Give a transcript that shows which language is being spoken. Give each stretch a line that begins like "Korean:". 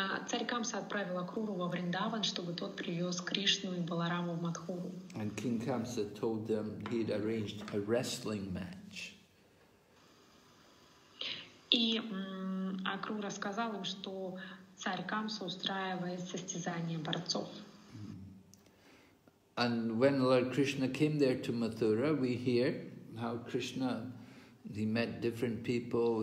Russian: Царь Камса отправил Акруру во Вриндаван, чтобы тот привез Кришну и Балараму в Матхуру.
English: And King Kamsa told them he'd arranged a wrestling match.
Russian: И Акрура сказал им, что царь Камса устраивает состязание борцов.
English: And when Lord Krishna came there to Mathura, we hear how Krishna, he met different people.